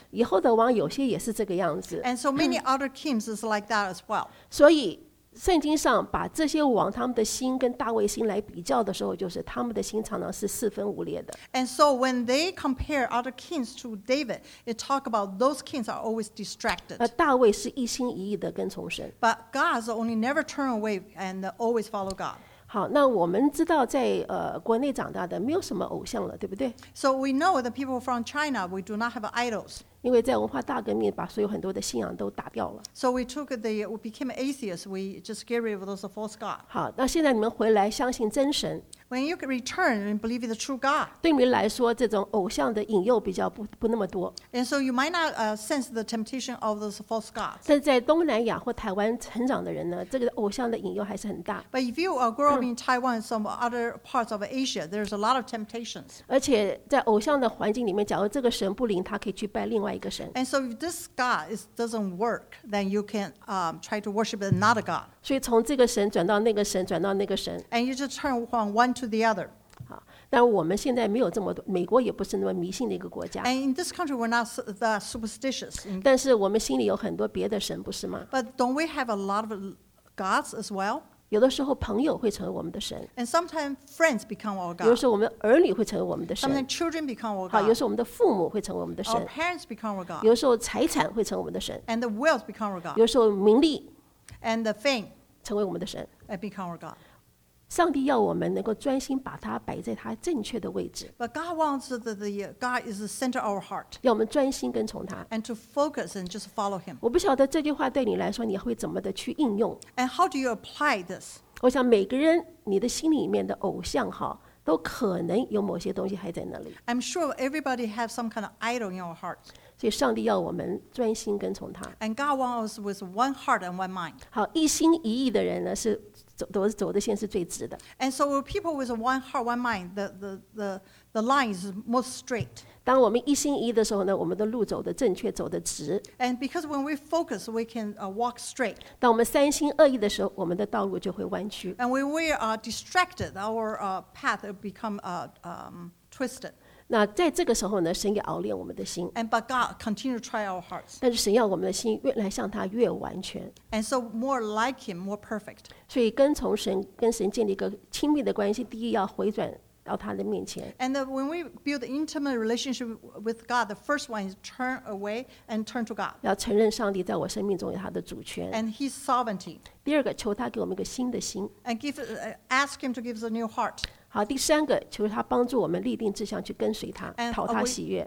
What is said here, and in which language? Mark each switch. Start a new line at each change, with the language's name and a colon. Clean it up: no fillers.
Chinese: 以后的王有些也是这个样子。
English: And so many other kings is like that as well.
Chinese: 所以圣经上把这些王他们的心跟大卫心来比较的时候，就是他们的心常常是四分五裂的。
English: And so when they compare other kings to David, it talk about those kings are always distracted.
Chinese: 大卫是一心一意的跟从神。
English: But God's only never turn away and always follow God.
Chinese: 好，那我们知道在国内长大的没有什么偶像了，对不对
English: ？So we know the people from China, we do not have idols.
Chinese: 因为在文化大革命把所有很多的信仰都打掉了。
English: So we took the we became atheists. We just get rid of those false gods.
Chinese: 好，那现在你们回来相信真神。
English: When you return and believe in the true God.
Chinese: 对你来说，这种偶像的引诱比较不那么多。
English: And so you might not sense the temptation of those false gods.
Chinese: 但在东南亚或台湾成长的人呢，这个偶像的引诱还是很大。
English: But if you are growing in Taiwan or some other parts of Asia, there's a lot of temptations.
Chinese: 而且在偶像的环境里面，假如这个神不灵，他可以去拜另外。
English: And so if this God doesn't work, then you can try to worship another God.
Chinese: 所以从这个神转到那个神，转到那个神。
English: And you just turn from one to the other.
Chinese: 好，但我们现在没有这么多，美国也不是那么迷信的一个国家。
English: And in this country, we're not that superstitious.
Chinese: 但是我们心里有很多别的神，不是吗
English: ？But don't we have a lot of gods as well?
Chinese: 有的时候朋友会成为我们的神。
English: And sometimes friends become our God.
Chinese: 有的时候我们儿女会成为我们的神。
English: Sometimes children become our God.
Chinese: 好，有的时候我们的父母会成为我们的神。
English: Our parents become our God.
Chinese: 有的时候财产会成为我们的神。
English: And the wealth become our God.
Chinese: 有的时候名利。
English: And the fame.
Chinese: 成为我们的神。
English: And become our God.
Chinese: 上帝要我们能够专心把它摆在它正确的位置。
English: But God wants that the God is the center of our heart.
Chinese: 要我们专心跟从他。
English: And to focus and just follow him.
Chinese: 我不晓得这句话对你来说你会怎么的去应用。
English: And how do you apply this?
Chinese: 我想每个人你的心里面的偶像哈都可能有某些东西还在那里。
English: I'm sure everybody has some kind of idol in our heart.
Chinese: 所以上帝要我们专心跟从他。
English: And God wants us with one heart and one mind.
Chinese: 好，一心一意的人呢是走的线是最直的。
English: And so people with one heart, one mind, the line is most straight.
Chinese: 当我们一心一意的时候呢，我们的路走得正确，走得直。
English: And because when we focus, we can walk straight.
Chinese: 当我们三心二意的时候，我们的道路就会弯曲。
English: And when we are distracted, our path will become twisted.
Chinese: 那在这个时候呢，神也熬炼我们的心。
English: And but God continue to try our hearts.
Chinese: 但是神要我们的心越来向他越完全。
English: And so more like him, more perfect.
Chinese: 所以跟从神，跟神建立一个亲密的关系，第一要回转到他的面前。
English: And when we build an intimate relationship with God, the first one is turn away and turn to God.
Chinese: 要承认上帝在我生命中有他的主权。
English: And his sovereignty.
Chinese: 第二个，求他给我们一个新的心。
English: And ask him to give us a new heart.
Chinese: 好，第三个就是他帮助我们立定志向去跟随他，讨他喜悦。